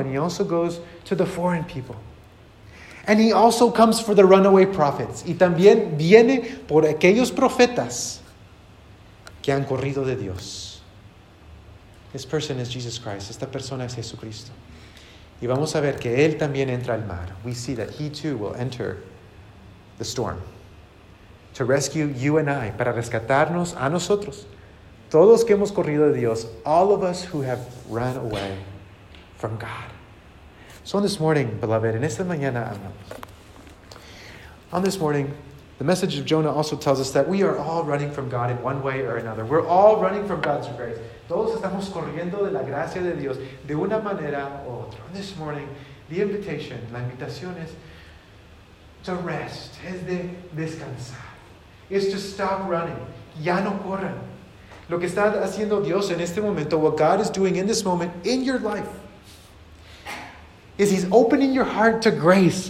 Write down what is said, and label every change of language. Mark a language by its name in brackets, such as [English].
[English] And he also goes to the foreign people. And he also comes for the runaway prophets. [Spanish] Y también viene por aquellos profetas que han corrido de Dios. [English] This person is Jesus Christ. [Spanish] Esta persona es Jesucristo. Y vamos a ver que él también entra al mar. [English] We see that he too will enter the storm to rescue you and I, [Spanish] para rescatarnos a nosotros. Todos que hemos corrido de Dios. [English] All of us who have run away from God. So on this morning, beloved, [Spanish] en esta mañana, amados, [English] on this morning, The message of Jonah also tells us that we are all running from God in one way or another. We're all running from God's grace. [Spanish] Todos estamos corriendo de la gracia de Dios de una manera u otra. [English] This morning, the invitation, [Spanish] la invitación es [English] to rest, [Spanish] es de descansar. [English] It's to stop running. [Spanish] Ya no corran. Lo que está haciendo Dios en este momento, [English] what God is doing in this moment in your life, is He's opening your heart to grace.